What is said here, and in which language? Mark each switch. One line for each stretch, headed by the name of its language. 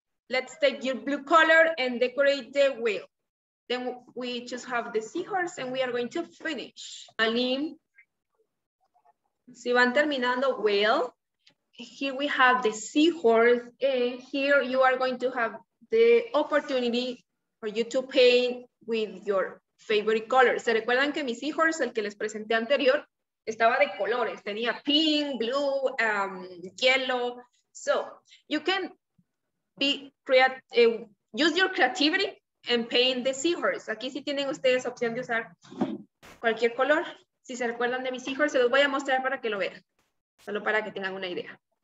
English: Let's take your blue color and decorate the whale. Then we just have the seahorse and we are going to finish. Alim.
Spanish: Si van terminando,
English: whale. Here we have the seahorse. And here you are going to have the opportunity for you to paint with your favorite color.
Spanish: ¿Se recuerdan que mi seahorse, el que les presenté anterior, estaba de colores? Tenía
English: pink, blue, yellow. So you can be use your creativity and paint the seahorse.
Spanish: Aquí sí tienen ustedes opción de usar cualquier color. Si se recuerdan de mis hijos, se los voy a mostrar para que lo vean. Solo para que tengan una idea.